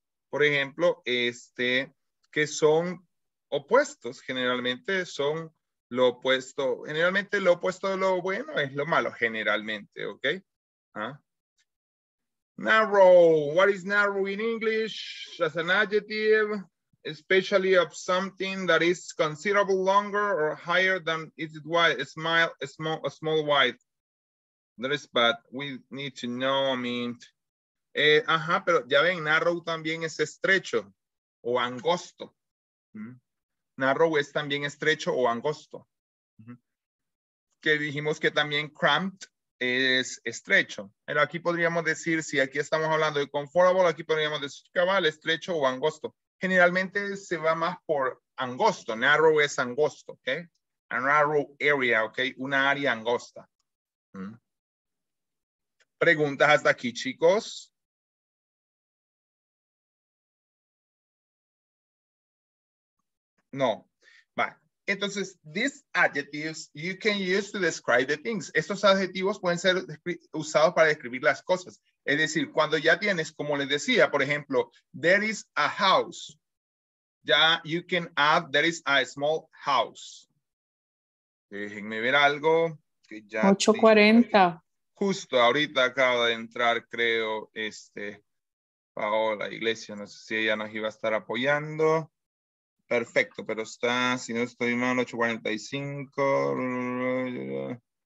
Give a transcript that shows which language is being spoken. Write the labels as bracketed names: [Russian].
[Spanish] Por ejemplo, que son opuestos, generalmente son lo opuesto. Generalmente lo opuesto de lo bueno es lo malo, generalmente, ¿ok? [English] Narrow. What is narrow in English? As an adjective, especially of something that is considerable longer or higher than is it wide, a small wide. That is bad. We need to know, [Spanish] pero ya ven, narrow también es estrecho o angosto. Narrow es también estrecho o angosto. Que dijimos que también cramped es estrecho. Pero aquí podríamos decir, si aquí estamos hablando de comfortable, aquí podríamos decir cabal, estrecho o angosto. Generalmente se va más por angosto. Narrow es angosto, ¿ok? [English] A narrow area, [Spanish] ¿ok? Una área angosta. ¿Preguntas hasta aquí, chicos? No. Vale. [English] Entonces, these adjectives you can use to describe the things. [Spanish] Estos adjetivos pueden ser usados para describir las cosas. Es decir, cuando ya tienes, como les decía, por ejemplo, [English] there is a house. Ya you can add there is a small house. [Spanish] Déjenme ver algo. 8:40. Justo ahorita acaba de entrar, creo, Paola Iglesia. No sé si ella nos iba a estar apoyando. Perfecto, pero está, si no estoy mal, 8:45.